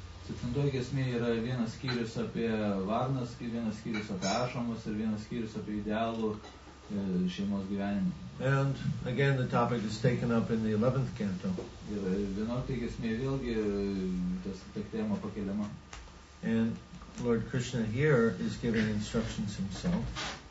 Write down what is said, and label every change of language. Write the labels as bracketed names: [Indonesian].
[Lithuanian] Septintoji giesmė yra vienas skyrius apie varnas, vienas skyrius apie ašamus ir vienas skyrius apie idealų šeimos gyvenimą. [English] And again the topic is taken up in the 11th canto. [Lithuanian] Ir vienuoliktoji giesmė vėlgi tas tema pakeliama. [English] And Lord Krishna here is giving instructions himself.